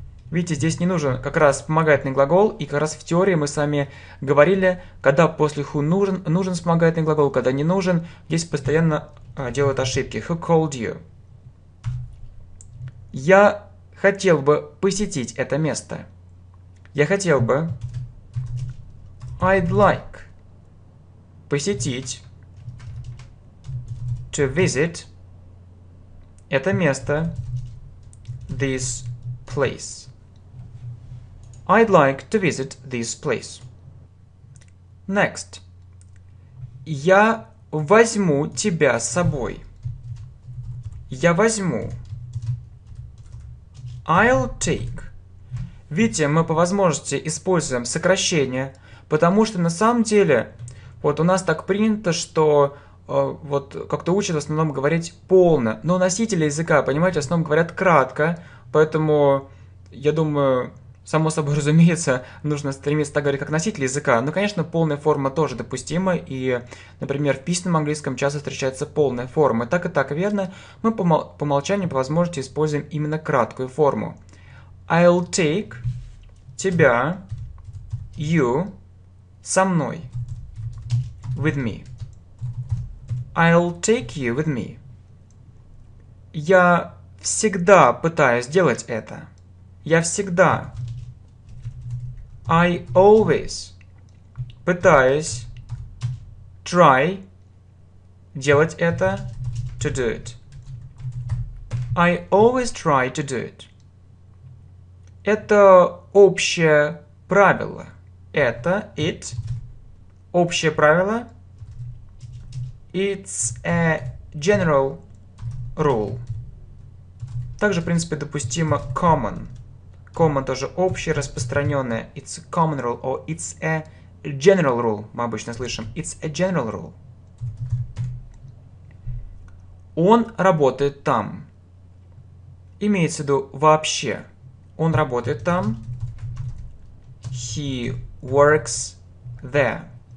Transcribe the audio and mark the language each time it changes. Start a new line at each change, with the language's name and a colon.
Russian: Видите, здесь не нужен как раз вспомогательный глагол, и как раз в теории мы с вами говорили, когда после who нужен вспомогательный глагол, когда не нужен, здесь постоянно делают ошибки.
English: Who called you?
Russian: Я хотел бы посетить это место. Я хотел бы...
English: I'd like
Russian: посетить,
English: to visit,
Russian: это место,
English: this place. I'd like to visit this place. Next.
Russian: Я возьму тебя с собой. Я возьму.
English: I'll take.
Russian: Видите, мы по возможности используем сокращение, потому что на самом деле, вот у нас так принято, что вот как-то учат в основном говорить полно. Но носители языка, понимаете, в основном говорят кратко, поэтому я думаю, само собой разумеется, нужно стремиться так говорить, как носитель языка. Но, конечно, полная форма тоже допустима, и, например, в письменном английском часто встречается полная форма. Так и так верно, мы по умолчанию, по возможности используем именно краткую форму.
English: I'll take
Russian: тебя,
English: you,
Russian: со мной,
English: with me. I'll take you with me.
Russian: Я всегда пытаюсь делать это. Я всегда.
English: I always
Russian: пытаюсь
English: try
Russian: делать это,
English: to do it. I always try to do it.
Russian: Это общее правило. Это, it, общее правило.
English: It's a general rule.
Russian: Также, в принципе, допустимо common. Common тоже общее, распространенное.
English: It's a common rule, or it's a general rule.
Russian: Мы обычно слышим.
English: It's a general rule.
Russian: Он работает там. Имеется в виду вообще. Он работает там.
English: He works there.